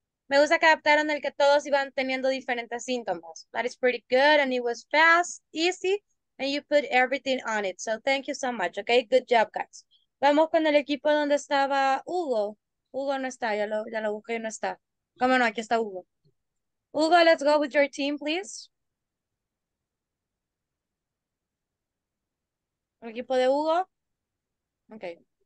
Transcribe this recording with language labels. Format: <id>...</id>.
<es>Me gusta que adaptaron el que todos iban teniendo diferentes síntomas.</es> <en>That is pretty good, and it was fast, easy, and you put everything on it. So, thank you so much, okay? Good job, guys.</en> <es>Vamos con el equipo donde estaba Hugo. Hugo no está, ya lo busqué y no está. ¿Cómo no? Aquí está Hugo.</es> <en>Hugo, let's go with your team, please.</en> <es>¿El equipo de Hugo? Okay.</es>